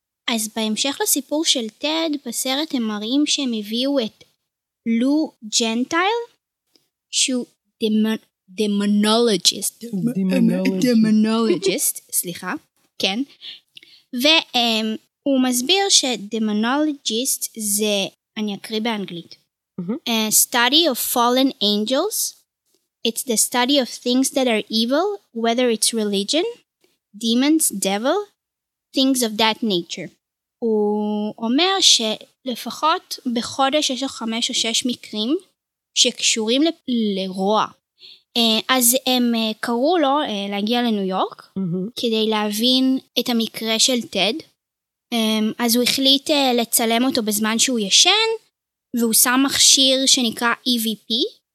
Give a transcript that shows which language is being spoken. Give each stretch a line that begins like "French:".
Hebrew: אז בהמשך לסיפור של טד, בסרט הם מראים שהם הביאו את לו ג'נטייל, שהוא דמונולוגיסט. דמונולוגיסט, סליחה, כן. והם... הוא מסביר שדמונולוגיסט זה, אני אקריא באנגלית,
English: A study of fallen angels. It's the study of things that are evil, whether it's religion, demons, devil, things of that nature.
Hebrew: הוא אומר שלפחות בחודש יש לו 5 או 6 מקרים שקשורים לרוע. אז הם קראו לו להגיע לניו יורק כדי להבין את המקרה של טד. אז הוא החליט לצלם אותו בזמן שהוא ישן, והוא שם מכשיר שנקרא EVP.